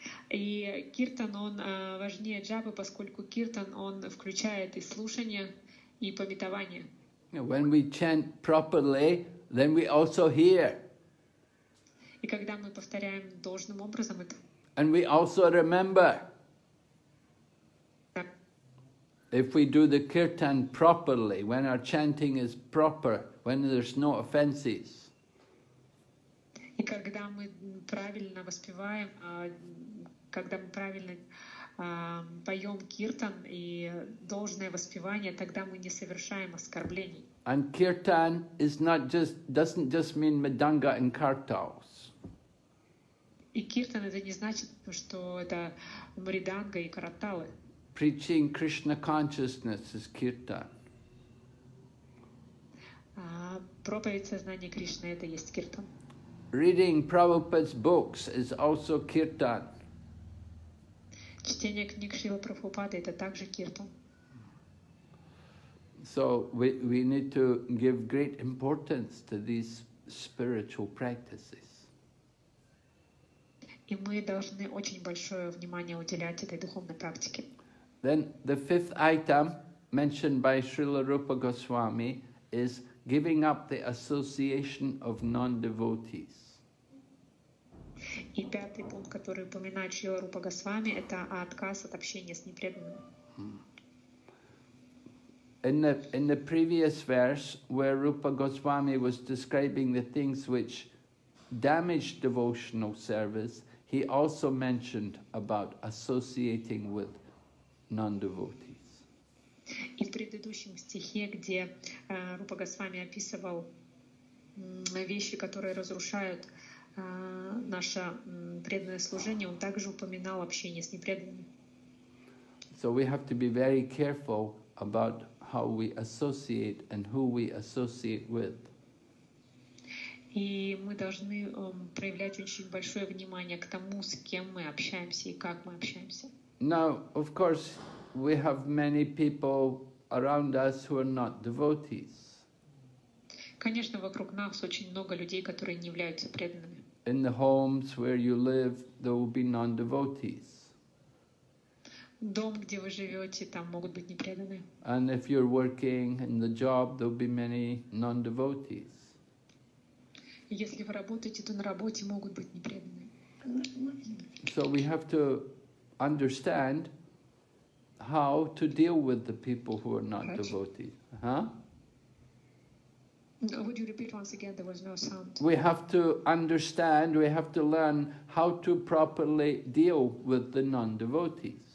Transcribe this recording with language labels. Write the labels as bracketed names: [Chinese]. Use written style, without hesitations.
[Russian] И киртан, он важнее джапы, поскольку киртан, он включает и слушание, и памятование. [English] When we chant properly, then we also hear. [Russian] И когда мы повторяем должным образом это. [English] And we also remember. Yeah. If we do the kirtan properly, when our chanting is proper, when there's no offenses. [Russian] И когда мы правильно воспеваем, когда мы правильно поем киртан и должное воспевание, тогда мы не совершаем оскорблений. [English] And kirtan is not just, doesn't just mean madanga and kartals. [Russian] И киртан, это не значит, что это мриданга и карталы. [English] Preaching Krishna consciousness is kirtan. [Russian] Проповедь сознания Кришны, это есть киртан. [English] Reading Prabhupada's books is also kirtan. [Russian] Чтение книг Шрилы Прабхупады — это также киртан. [English] So we need to give great importance to these spiritual practices. [Russian] И мы должны очень большое внимание уделять этой духовной практике. [English] Then the fifth item mentioned by Srila Rupa Goswami is giving up the association of non-devotees. [Russian] И пятый пункт, который упоминает Шрила Рупа Госвами, это отказ от общения с непреданными. [English] In the previous verse, where Rupa Goswami was describing the things which damage devotional service, he also mentioned about associating with non-devotees. [Russian] И в предыдущем стихе, где Рупа Госвами описывал вещи, которые разрушают наше преданное служение, он также упоминал общение с непреданными. [English] So we have to be very careful about how we associate and who we associate with. [Russian] И мы должны проявлять очень большое внимание к тому, с кем мы общаемся и как мы общаемся. [English] Now, of course, we have many people around us who are not devotees. [Russian] Конечно, вокруг нас очень много людей, которые не являются преданными. [English] In the homes where you live, there will be non-devotees. [Russian] Дом, где вы живете, там могут быть непреданные. [English] And if you're working in the job, there will be many non-devotees. [Russian] Если вы работаете, то на работе могут быть непреданные. [English] So we have to understand how to deal with the people who are not devotees. Huh? Would you repeat once again? There was no sound. We have to understand, we have to learn how to properly deal with the non-devotees.